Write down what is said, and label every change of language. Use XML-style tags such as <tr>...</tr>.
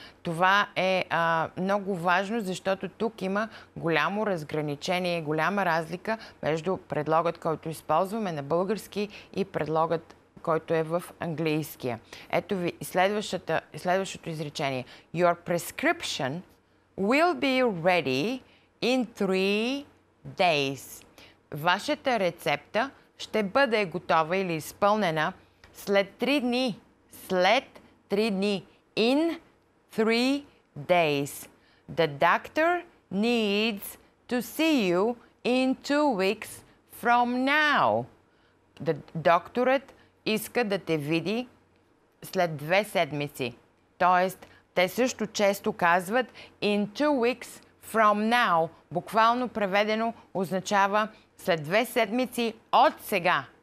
<bg>Това е много важно, защото тук има голямо разграничение, голяма разлика между предлогът, който използваме на български и предлогът, който е в английския. Ето ви следващото изречение.</bg> <en>Your prescription will be ready in three days.</en> <bg>Вашата рецепта ще бъде готова или изпълнена след три дни. След три дни.</bg> <en>In three days. The doctor needs to see you in two weeks From now, the</en> <bg>докторът иска да те види след две седмици. Тоест, те също често казват</bg> <en>in 2 weeks from now.</en> <bg>Буквално преведено означава след две седмици от сега.</bg>